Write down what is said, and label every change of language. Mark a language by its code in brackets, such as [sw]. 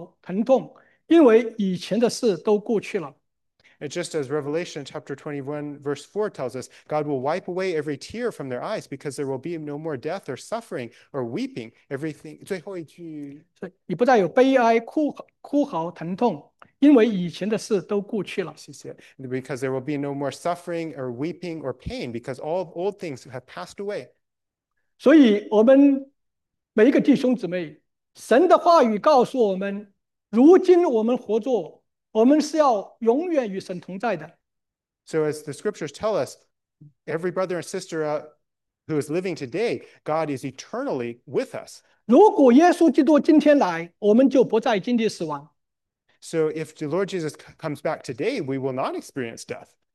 [zh] 而且启示录21章4节也告诉我们，神要擦去他们一切的眼泪，不再有死亡，也不再有悲哀、哭嚎、疼痛，因为以前的事都过去了。 [en] And just as Revelation chapter 21, verse 4 tells us, God will wipe away every tear from their eyes because there will be no more death or suffering or weeping. Everything. [zh] 最后一句。所以你不再有悲哀、哭嚎、疼痛，因为以前的事都过去了。谢谢。 [en] Because there will be no more suffering or weeping or pain because all old things have passed away. [zh] 所以我们每一个弟兄姊妹，神的话语告诉我们，如今我们活着，我们是要永远与神同在的。 [en] So as the scriptures tell us, every brother and sister who is living today, God is eternally with us. [zh] 如果耶稣基督今天来，我们就不再经历死亡。 [en] So if the Lord Jesus comes back today, we will not experience death.